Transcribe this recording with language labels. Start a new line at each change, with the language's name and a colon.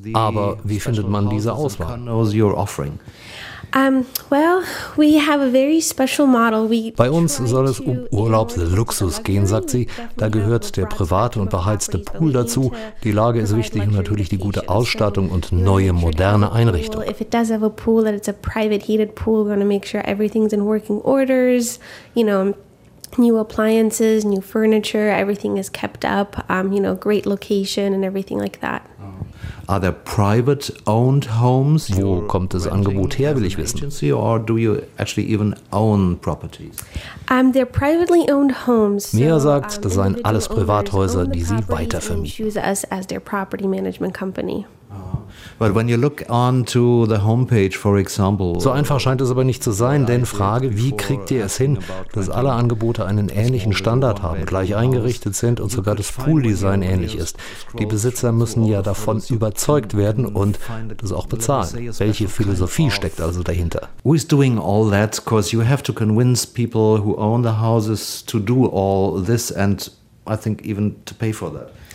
German: the Aber wie findet man diese Auswahl? Bei uns soll es um Urlaubsluxus gehen, sagt sie. Da gehört der private und beheizte Pool dazu. Die Lage ist wichtig und natürlich die gute Ausstattung und neue moderne Einrichtung.
English: If it does have a pool, that it's a private heated pool, we're going to make sure everything's in working orders, you know, new appliances, new furniture, everything is kept up, you know, great location and everything like that. Are there private owned homes?
German: Wo kommt das Angebot her, will ich wissen.
English: Or do you actually even own properties? They're privately owned homes.
German: Mia sagt, das seien alles Privathäuser, die sie weitervermieten.
English: Choose us as their property management company. But when you look on to the homepage, for example,
German: so einfach scheint es aber nicht zu sein, denn Frage, wie kriegt ihr es hin, dass alle Angebote einen ähnlichen Standard haben, gleich eingerichtet sind und sogar das Pool-Design ähnlich ist? Die Besitzer müssen ja davon überzeugt werden und das auch bezahlen. Welche Philosophie steckt also dahinter?
English: Who is doing all that? Because you have to convince people who own the houses to do all this and I think even to pay for that.